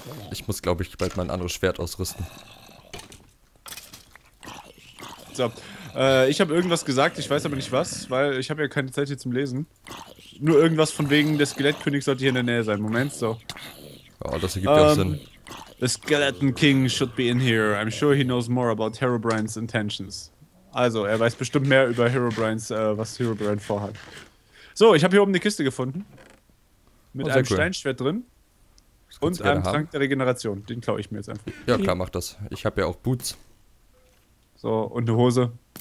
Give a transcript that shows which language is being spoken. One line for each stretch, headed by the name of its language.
German: Ich muss, glaube ich, bald mal ein anderes Schwert ausrüsten. So, ich habe irgendwas gesagt, ich weiß aber nicht was, weil ich habe ja keine Zeit hier zum Lesen. Nur irgendwas von wegen, der Skelettkönig sollte hier in der Nähe sein. Moment, so. Oh, das ergibt ja auch Sinn.
English: The Skeleton King should be in here. I'm sure he knows more about Herobrines intentions.
German: Also, er weiß bestimmt mehr über Herobrines, was Herobrine vorhat. So, ich habe hier oben eine Kiste gefunden. Mit einem Steinschwert drin. Und einem Trank der Regeneration. Den klaue ich mir jetzt einfach. Ja, klar, mach das. Ich habe ja auch Boots. So, und eine Hose.